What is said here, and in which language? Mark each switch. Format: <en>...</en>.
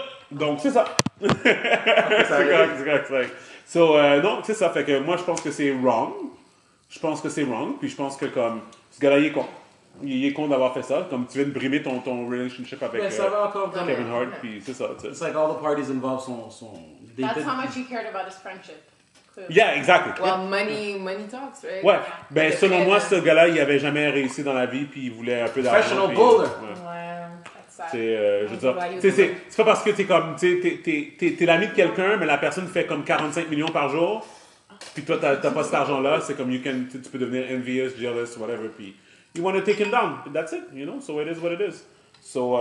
<fr>Donc, c'est ça. c'est correct. So, non, c'est ça, fait que moi, je pense que c'est wrong. Je pense que c'est wrong, puis je pense que comme ce gars-là, il est con. Il est con d'avoir fait ça, comme tu viens de brimer ton relationship avec Kevin Hart, puis c'est ça. T'sais.</fr> <en>It's like all the parties involved</en> <fr>sont...</fr> <en>That's how much you cared about his friendship. Clearly. Yeah, exactly. Well, money talks, right?</en> <fr>Ouais.</fr> <en>Yeah.</en> <fr>Ben, selon moi, ce gars-là, il n'avait jamais réussi dans la vie, puis il voulait un peu d'argent.</fr> <en>Professional bowler.</en> <fr>Ouais. C'est pas parce que t'es comme... T'es l'ami de quelqu'un, mais la personne fait comme 45 millions par jour. Puis toi, t'as pas cet argent-là, c'est comme tu peux devenir</fr> <en>envious, jealous, whatever,</en> <fr>puis</fr> <en>you want to take him down, that's it, you know, so it is what it is. So,</en>